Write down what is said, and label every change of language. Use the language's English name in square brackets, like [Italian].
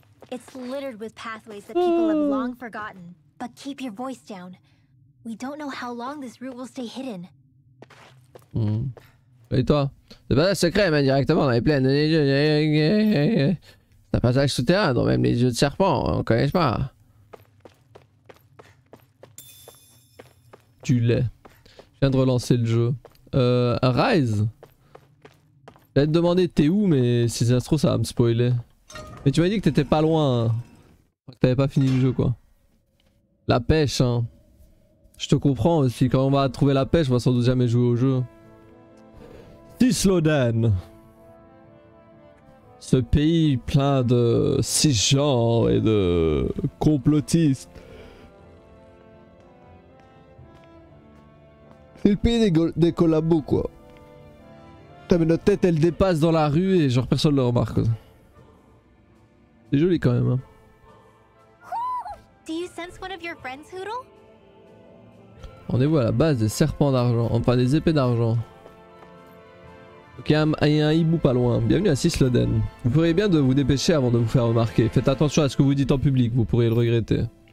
[English] It's littered with pathways that people have long forgotten. But keep your voice down. We don't know how long this route will stay hidden. [French] Et toi? C'est pas un secret, mais directement dans les plaines. C'est un passage souterrain dont même les yeux de serpent, on connaît pas. Tu l'es. Je viens de relancer le jeu. Rise. Je vais te demander t'es où, mais si ça se trouve, ça va me spoiler. Mais tu m'as dit que t'étais pas loin. Hein. Que t'avais pas fini le jeu, quoi. La pêche, hein. Je te comprends aussi. Quand on va trouver la pêche, on va sans doute jamais jouer au jeu. Sisloden. Ce pays plein de cisgenres et de complotistes. C'est le pays des collabos, quoi. Putain, mais notre tête elle dépasse dans la rue et genre personne le remarque. C'est joli quand même. Hein. [English] Do you sense one of your friends, Hoodle? [French] Rendez-vous à la base des serpents d'argent, enfin des épées d'argent. Ok, il y a un hibou pas loin. Bienvenue à Sisloden. Vous feriez bien de vous dépêcher avant de vous faire remarquer. Faites attention à ce que vous dites en public, vous pourriez le regretter.